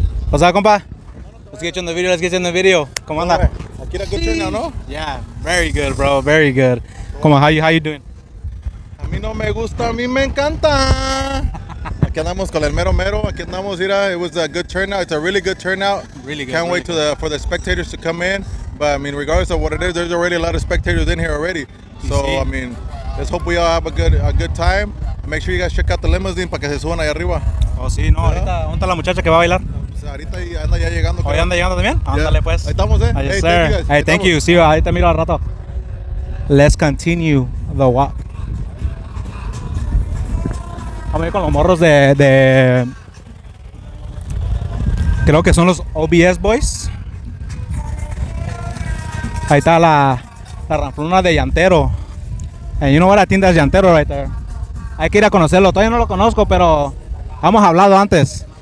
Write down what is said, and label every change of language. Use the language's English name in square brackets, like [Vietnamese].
[English] What's up, compa? Let's get you in the video. Come on, [Spanish] aquí la [English] good turnout, [Spanish] no? [English] Yeah, very good, bro. Very good. Come on, how you doing? [Spanish] A mí no me gusta, a mí me encanta. Aquí andamos con el mero mero. Aquí andamos, mira. [English] It was a good turnout. It's a really good turnout. Really good. Can't wait to for the spectators to come in. But I mean, regardless of what it is, there's already a lot of spectators in here already. So I mean, let's hope we all have a good time. Make sure you guys check out the limousine [Spanish] para que se suban ahí arriba. Oh, sí, no, ¿verdad? Ahorita, ¿dónde está la muchacha que va a bailar? Pues ahorita anda ya llegando. ¿Hoy anda llegando también? Ándale, yeah. Pues. Ahí estamos, eh. Ahí está. [English] Hey, sir. Thank you. Thank you. See you. [Spanish] Ahí te miro al rato. [English] Let's continue the walk. [Spanish] Vamos a ir con los morros de creo que son los OBS Boys. Ahí está la ranfluna de Llantero. [English] And you know what? I think that's Llantero right there. [Spanish] Hay que ir a conocerlo, todavía no lo conozco, pero hemos hablado antes.